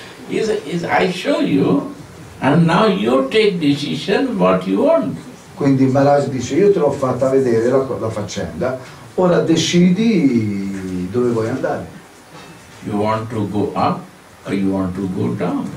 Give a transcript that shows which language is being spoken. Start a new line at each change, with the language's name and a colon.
English: Is I show you and now you take decision what you want.
Italian: Quindi Maharaj dice io te l'ho fatta vedere la faccenda, ora decidi dove vuoi andare.
English: You want to go up or you want to go down?